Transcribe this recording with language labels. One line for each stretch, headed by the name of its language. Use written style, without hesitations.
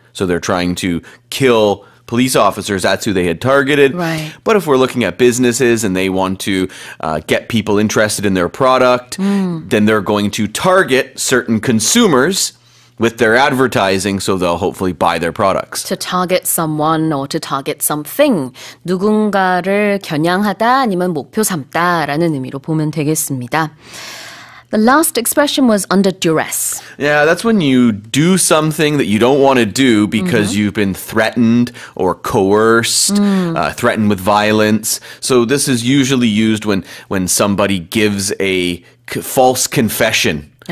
English: So they're trying to kill police officers. That's who they had targeted. Right. But if we're looking at businesses and they want to get people interested in their product, then they're going to target certain consumers with their advertising, so they'll hopefully buy their products. To target someone or to target something.
Korean: 누군가를 겨냥하다 아니면 목표 삼다라는 의미로 보면 되겠습니다.
English: The last expression was under duress. Yeah, that's when you do something that you don't want to do because you've been threatened or coerced, threatened with violence. So this is usually used when somebody gives a false confession.